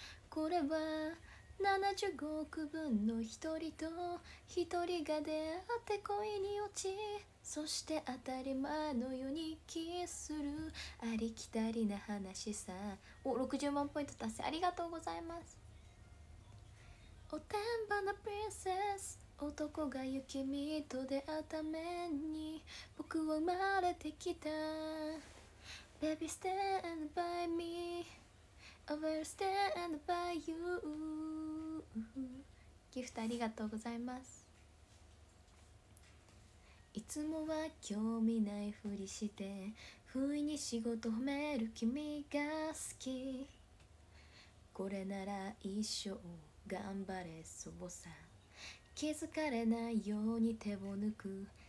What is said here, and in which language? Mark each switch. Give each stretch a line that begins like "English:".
Japanese: これは75億分の一人と一人が出会って恋に落ち、そして当たり前のようにキスする、ありきたりな話さ。お、60万ポイント達成ありがとうございます。おてんばなプリンセス、男が雪見と出会った目に僕は生まれてきた。
English: Baby stand by me, I will stand by you。
Japanese: ギフトありがとうございます。いつもは興味ないふりして、不意に仕事褒める君が好き。これなら一生頑張れそうさ、気づかれないように手を抜く。